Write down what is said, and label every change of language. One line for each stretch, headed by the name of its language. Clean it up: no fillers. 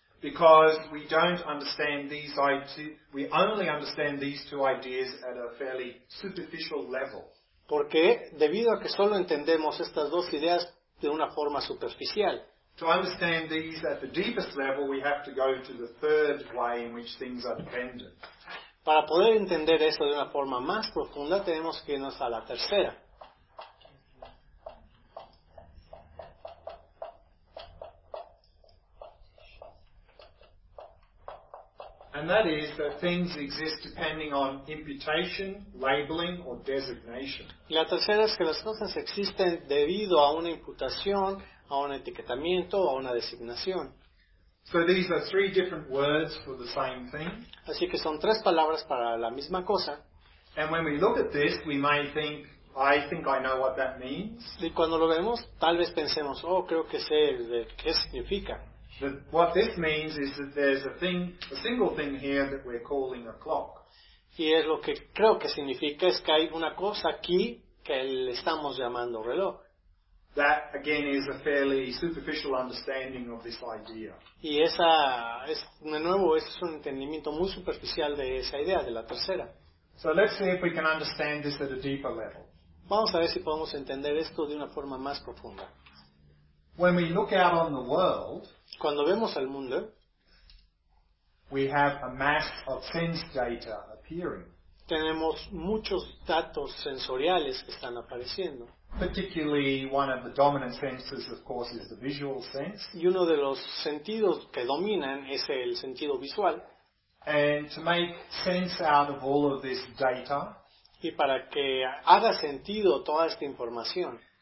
English: Because we don't understand these we only understand these two ideas at a fairly superficial level.
Spanish: Porque debido a que solo entendemos estas dos ideas de una forma superficial.
English: To understand these at the deepest level, we have to go to the third way in which things are dependent.
Spanish: Para poder entender esto de una forma más profunda, tenemos que irnos a la tercera.
English: And that is that things exist depending on imputation, labeling, or designation.
Spanish: La tercera es que las cosas existen debido a una imputación, a un etiquetamiento, a una designación.
English: So these are three different words for the same thing.
Spanish: Así que son tres palabras para la misma cosa.
English: And when we look at this, we may think, I think I know what that means.
Spanish: Y cuando lo vemos, tal vez pensemos, oh, creo que sé de qué significa.
English: That what this means is that there's a single thing here that we're calling a clock.
Spanish: Y es lo que creo que significa es que hay una cosa aquí que le estamos llamando reloj.
English: That again is a fairly superficial understanding of this idea.
Spanish: Y esa es de nuevo es un entendimiento muy superficial de esa idea de la tercera.
English: So let's see if we can understand this at a deeper level.
Spanish: Vamos a ver si podemos entender esto de una forma más profunda.
English: When we look out on the world,
Spanish: cuando vemos el mundo,
English: we have a mass of sense data appearing.
Spanish: Tenemos muchos datos sensoriales que están apareciendo.
English: Particularly one of the dominant senses, of course, is the visual sense.
Spanish: Y uno de los sentidos que dominan es el sentido visual.
English: And to make sense out of all of this data,
Spanish: y para que haga sentido toda esta información,